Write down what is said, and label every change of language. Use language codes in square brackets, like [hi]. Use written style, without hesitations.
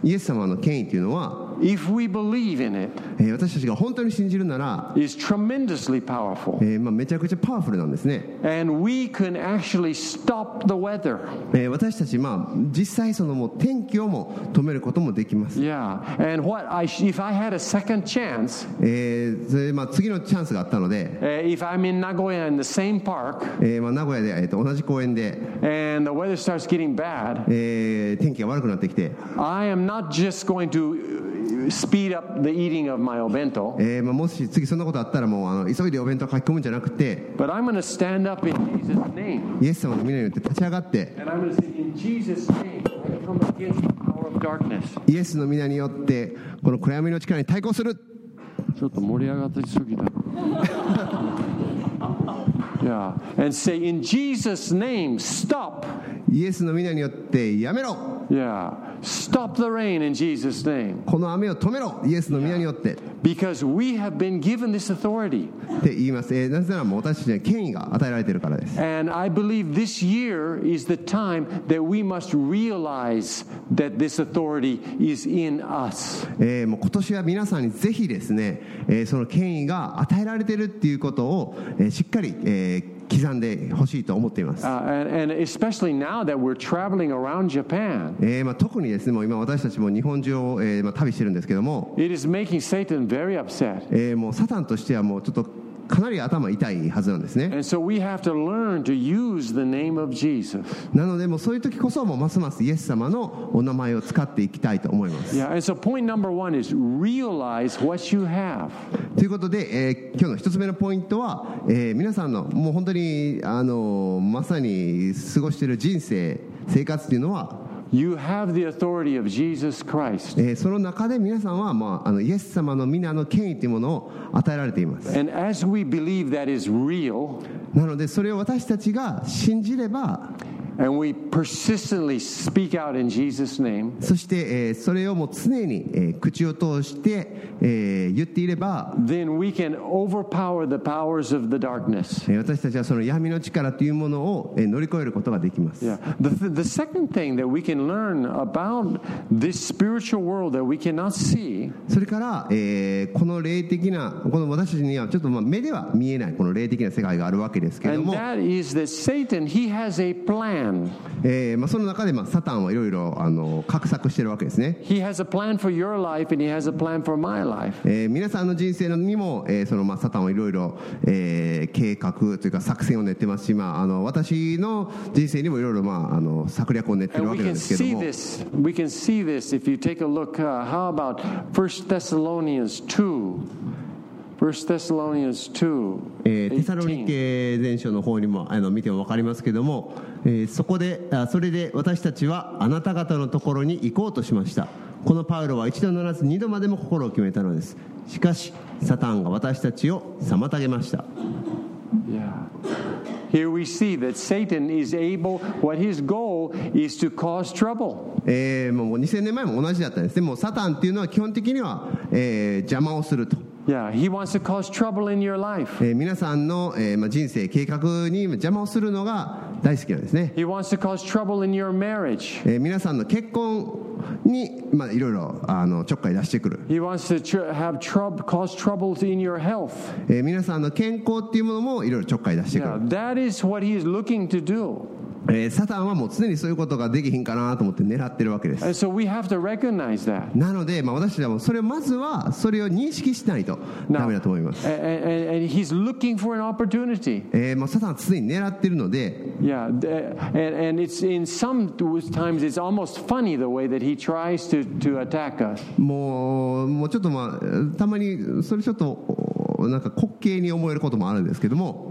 [ja] イエス様の権威というのは、 [en] If we believe in it, [ja] 私たちが本当に信じるなら、 [en] is tremendously powerful. [ja] めちゃくちゃパワフルなんですね。 [en] And we can actually stop the weather. [ja] 私たち、実際そのもう天気をも止めることもできます。 [en] Yeah. And what I, if I had a second chance, [ja] 次のチャンスがあったので、 [en] if I'm in Nagoya in the same park, [ja] 名古屋で、同じ公園で、 [en] and the weather starts getting bad, [ja] 天気が悪くなってきて、 [en] I am not just going to Speed up the eating of my お弁当。 [ja] もし次そんなことあったらもう急いでお弁当書き込むんじゃなくて。 [en] But I'm gonna stand up in Jesus' name. [ja] イエス様の名によって立ち上がって。 [en] And I'm gonna say in Jesus' name, I come against the power of darkness. [ja] イエスの名によってこの暗闇の力に対抗する。ちょっと盛り上がってすぎた。 [en] Yeah. And say in Jesus' name, stop. [ja] イエスの名によってやめろ。 [en] Yeah. Stop the rain in Jesus' name. [ja] この雨を止めろ、イエスの名によって。 [en] Yeah. Because we have been given this authority. [ja] って言います。なぜならもう私たちには権威が与えられているからです。 [en] And I believe this year is the time that we must realize that this authority is in us. [ja] もう今年は皆さんにぜひですね、その権威が与えられているっていうことを、しっかり、刻んでほしいと思っています。 [en] And especially now that we're traveling around Japan, [ja] 特にですね、もう今私たちも日本中を、旅してるんですけども、 [en] It is making Satan very upset. [ja] もうサタンとしてはもうちょっとかなり頭痛いはずなんですね。 [en] And so we have to learn to use the name of Jesus. [ja] なので、もうそういう時こそもうますますイエス様のお名前を使っていきたいと思います。 [en] Yeah, and so point number one is realize what you have. [ja] ということで、今日の一つ目のポイントは、皆さんのもう本当にまさに過ごしている人生生活っていうのは。 [en] You have the authority of Jesus Christ. [ja] その中で皆さんは、イエス様の皆の権威というものを与えられています。 [en] And as we believe that is real, [ja] なので、それを私たちが信じれば、 [en] And we persistently speak out in Jesus' name, [ja] そして、それをもう常に、口を通して、言っていれば、 [en] then we can overpower the powers of the darkness. [ja] 私たちはその闇の力というものを、乗り越えることができます。 [en] Yeah. The second thing that we can learn about this spiritual world that we cannot see, [ja] それから、この霊的な、この私たちにはちょっと目では見えないこの霊的な世界があるわけですけれども、 [en] and that is that Satan, he has a plan. [ja] その中で、サタンはいろいろ画策しているわけですね。 [en] He has a plan for your life and he has a plan for my life. [ja] 皆さんの人生にも、サタンはいろいろ、計画というか作戦を練ってますし、私の人生にもいろいろ、策略を練っているわけなんですけども。 [en] And we can see this. We can see this if you take a look. How about 1 Thessalonians 2? First Thessalonians 2, 18. [ja] テサロニケ全書の方にも見ても分かりますけども、そこで、それで私たちはあなた方のところに行こうとしました。このパウロは一度ならず二度までも心を決めたのです。しかし、サタンが私たちを妨げました。 [en] Yeah. Here we see that Satan is able, what his goal is to cause trouble. [ja] もう2000年前も同じだったんですね。もうサタンっていうのは基本的には、邪魔をすると。 [en] Yeah, he wants to cause trouble in your life. [ja] 皆さんの、人生計画に邪魔をするのが大好きなんですね。 [en] He wants to cause trouble in your marriage. [ja] 皆さんの結婚に、いろいろちょっかい出してくる。 [en] He wants to have cause trouble in your health. [ja] 皆さんの健康っていうものもいろいろちょっかい出してくる。 [en] Yeah, that is what he is looking to do. [ja] サタンはもう常にそういうことができひんかなと思って狙ってるわけです。 [en] And so we have to recognize that. [ja] なので、私らもそれをまずはそれを認識しないとダメだと思います。 [en] Now, and he's looking for an opportunity. [ja] サタンは常に狙ってるので。 [en] Yeah, and it's in some times it's almost funny the way that he tries to attack us. [ja] もうちょっとたまにそれちょっと。なんか滑稽に思えることもあるんですけども。